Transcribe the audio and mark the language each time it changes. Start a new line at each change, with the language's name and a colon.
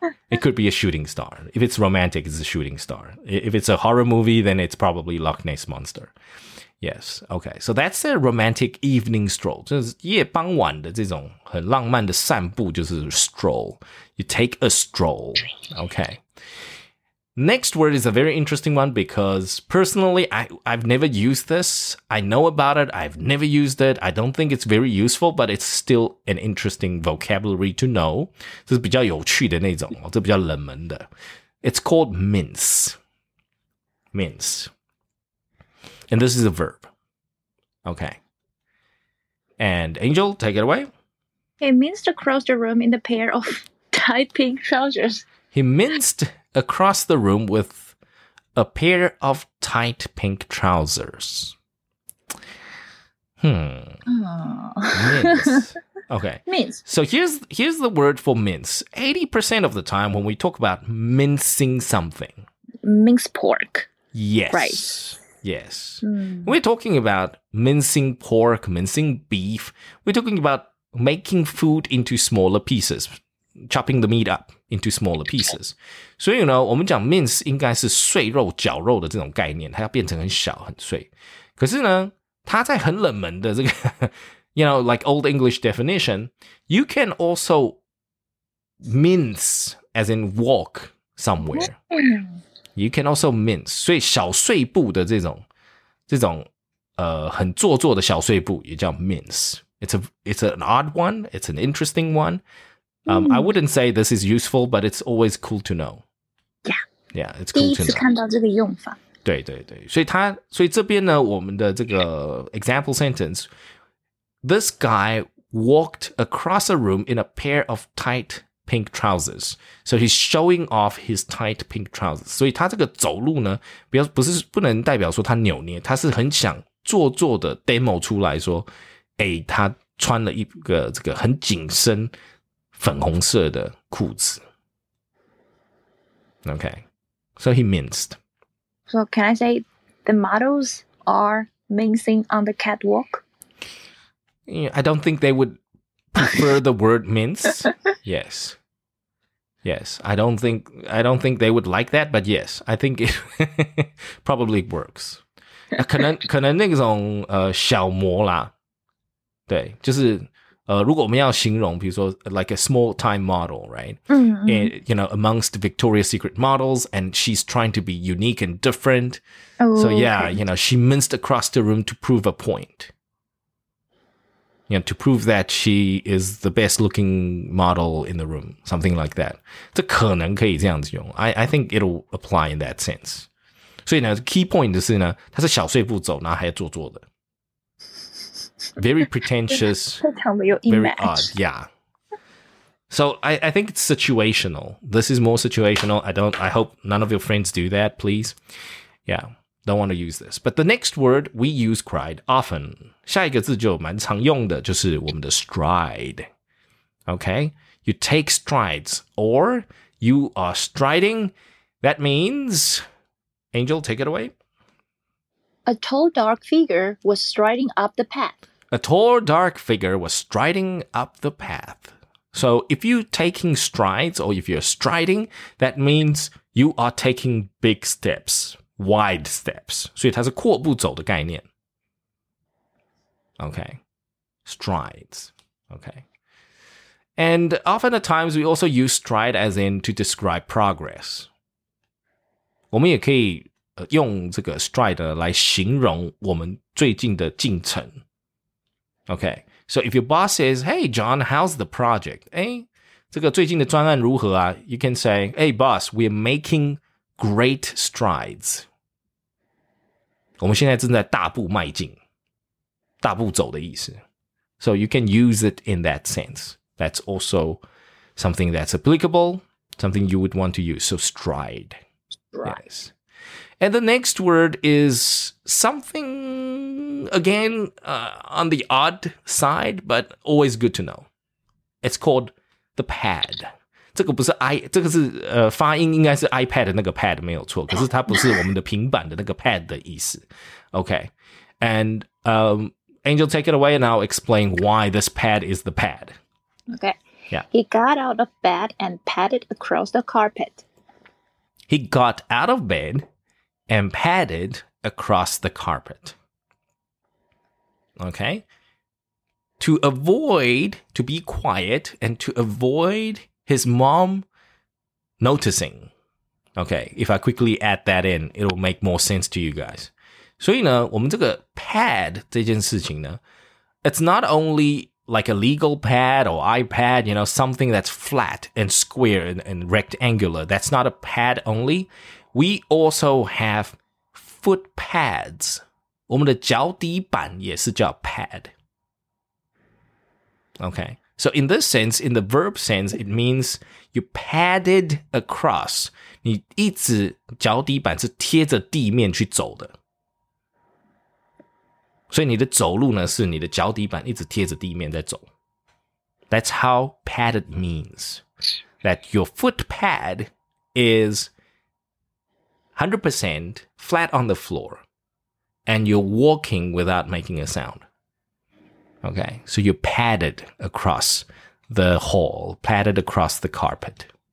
English: It could be a shooting star. If it's romantic, it's a shooting star. If it's a horror movie, then it's probably Loch Ness Monster. Yes, okay. So that's a romantic evening stroll.
Chinese: 就是夜傍晚的这种很浪漫的散步就是stroll.
English: You take a stroll. Okay. Next word is a very interesting one because personally, I've never used this. I know about it. I've never used it. I don't think it's very useful, but it's still an interesting vocabulary to know.
Chinese: 这是比较有趣的那种,这比较冷门的.
English: It's called mince. Mince. And this is a verb. Okay. And Angel, take it away. He minced across the room in a pair of tight pink trousers. He minced across the room with a pair of tight pink trousers. Mince. Okay. Mince. So here's the word for mince. 80% of the time when we talk about mincing something. Mince pork. Yes. Right. Yes. Mm. We're talking about mincing pork, mincing beef. We're talking about making food into smaller pieces, chopping the meat up into smaller pieces.
Chinese: 所以呢，我们讲 mince 应该是碎肉、绞肉的这种概念，它要变成很小、很碎。可是呢，它在很冷门的这个
English: you know, like old English definition, you can also mince, as in walk somewhere. You can also mince.
Chinese: 所以小碎步的这种很做作的小碎步也叫 mince.
English: It's an odd one. It's an interesting one. I wouldn't say this is useful, but it's always cool to know. Yeah. Yeah, it's cool to know.
Chinese: 第一次看到这个用法。对对对。所以这边呢，我们的这个
English: example sentence,This guy walked across a room in a pair of tight pink trousers. So he's showing off his tight pink trousers.
Chinese: 所以他这个走路呢，不能代表说他扭捏，他是很想做作的 demo 出来说，哎，他穿了一个这个很紧身粉红色的裤子。
English: Okay, so he minced. So can I say the models are mincing on the catwalk? I don't think they would prefer the word mince. Yes. Yes. I don't think they would like that, but yes. I think it probably works.
Chinese: 可能那种小模啦。对。就是如果我们要形容比如说
English: like a small time model, right? Mm-hmm. And, you know, amongst Victoria's Secret models and she's trying to be unique and different. Oh, so yeah, okay. You know, she minced across the room to prove a point. You know, to prove that she is the best looking model in the room, something like that.
Chinese: 这可能可以这样子用。
English: I think it'll apply in that sense.
Chinese: 所以呢 key point 是呢他是小碎步走然后还做作的。
English: Very pretentious, very odd, yeah. So I think it's situational. This is more situational. I hope none of your friends do that, please. Yeah. Don't want to use this. But the next word we use cried often.
Chinese: 下一个字就蛮常用的就是我们的 stride.
English: Okay? You take strides or you are striding. That means, Angel, take it away. A tall, dark figure was striding up the path. A tall, dark figure was striding up the path. So if you're taking strides or if you're striding, that means you are taking big steps. Wide steps.
Chinese: 所以它是阔步走的概念。
English: Okay. Strides. Okay. And often at times, we also use stride as in to describe progress.
Chinese: 我们也可以用这个 stride 来形容我们最近的进程。
English: Okay. So if your boss says, hey, John, how's the project?
Chinese: 诶,这个最近的专案如何啊?
English: You can say, hey, boss, we're making great strides.
Chinese: 我们现在正在大步迈进，大步走的意思。
English: So you can use it in that sense. That's also something that's applicable, something you would want to use. So stride. Stride. Yes. And the next word is something, again, on the odd side, but always good to know. It's called the pad.
Chinese: 这个不是 i 这个是发音应该是 iPad 的那个 pad 没有错，可是它不是我们的平板的那个 pad 的意思。
English: Okay, and Angel, take it away, and I'll explain why this pad is the pad. Okay. Yeah. He got out of bed and padded across the carpet. He got out of bed and padded across the carpet. Okay. To avoid to be quiet and to avoid. His mom noticing. Okay, if I quickly add that in, it'll make more sense to you guys.
Chinese: 所以呢，我们这个 pad 这件事情呢
English: it's not only like a legal pad or iPad, you know, something that's flat and square and rectangular. That's not a pad only. We also have foot pads.
Chinese: 我们的脚底板也是叫 pad.
English: Okay. So in this sense, in the verb sense, it means you padded across.
Chinese: 你一直脚底板是贴着地面去走的。所以你的走路呢是你的脚底板一直贴着地面在走。
English: That's how padded means. That your foot pad is 100% flat on the floor. and you're walking without making a sound. Okay, so you padded across the hall, padded across the carpet.